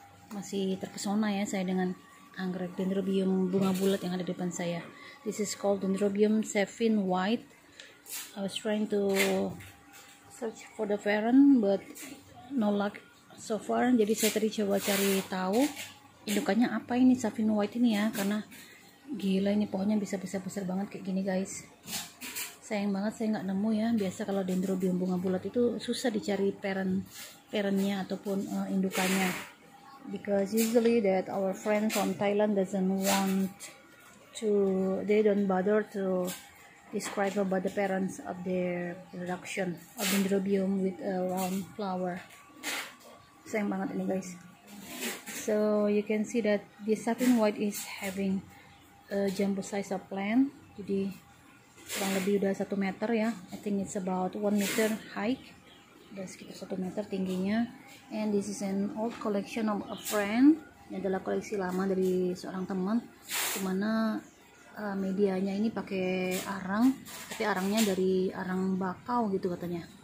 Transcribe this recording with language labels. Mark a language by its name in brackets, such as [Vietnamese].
[Indonesian] Masih terpesona ya saya dengan anggrek Dendrobium bunga bulat yang ada di depan saya. [English] This is called Dendrobium 7 white. I was trying to search for the fern but no luck so far. [Indonesian] Jadi saya tadi coba cari tahu indukannya apa ini Seven White ini ya, karena gila ini pohonnya bisa-bisa besar banget kayak gini guys. Sayang banget saya nggak nemu ya. Biasa kalau Dendrobium bunga bulat itu susah dicari parent-parentnya ataupun indukannya, [English] because usually that our friend from Thailand doesn't want to, they don't bother to describe about the parents of their production of Dendrobium with a round flower. [Indonesian] Sayang banget ini guys. [English] So you can see that the Seven White is having a jumbo size of plant. [Indonesian] Jadi kurang lebih udah 1 meter ya. [English] I think it's about 1 meter high. [Indonesian] Udah sekitar 1 meter tingginya. [English] And this is an old collection of a friend. [Indonesian] Ini adalah koleksi lama dari seorang teman. Dimana medianya ini pakai arang. Tapi arangnya dari arang bakau gitu katanya.